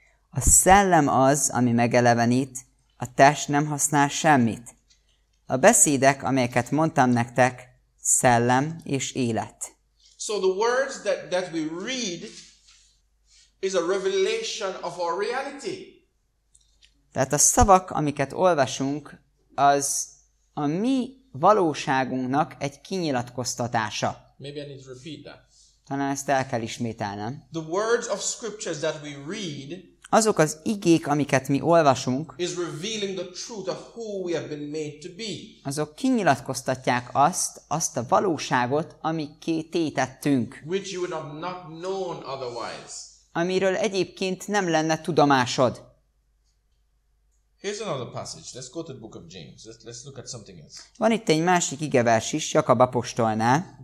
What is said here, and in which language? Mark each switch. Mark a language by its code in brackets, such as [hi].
[hu] A szellem az, ami megelevenít, a test nem használ semmit. A beszédek, amelyeket mondtam nektek, szellem és élet. [en] So the words that we read is a revelation of our reality. [hu] Tehát a szavak, amiket olvasunk, az a mi valóságunknak egy kinyilatkoztatása. [en] Maybe I need to repeat that. [hu] Talán ezt el kell ismételnem. [en] The words of scriptures that we read, [hu] azok az igék, amiket mi olvasunk, [en] is revealing the truth of who we have been made to be. [hu] Azok kinyilatkoztatják azt a valóságot, amiké tétettünk. [en] Which you would have not known otherwise. [hu] Amiről egyébként nem lenne tudomásod. [en] Here's another passage. Let's go to the book of James. Let's look at something else. [hu] Van itt egy másik igevers is, Jakab apostolnál.